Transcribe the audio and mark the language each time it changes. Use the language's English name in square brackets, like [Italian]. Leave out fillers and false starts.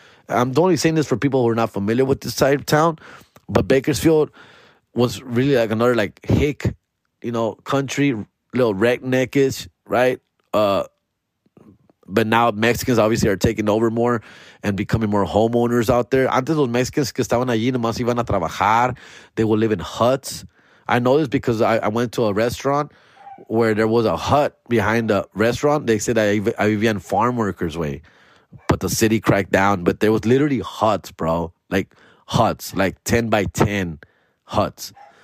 [English] I'm only saying this for people who are not familiar with this side of town, but Bakersfield was really like another like hick, you know, country, little redneckish, right? But now Mexicans obviously are taking over more and becoming more homeowners out there. [Spanish] Antes los Mexicans que estaban allí nomás iban a trabajar. [English] They would live in huts. I know this because I went to a restaurant where there was a hut behind the restaurant. They said I vivían farm workers way. But the city cracked down. But there was literally huts, bro. Like huts. Like 10 by 10 huts.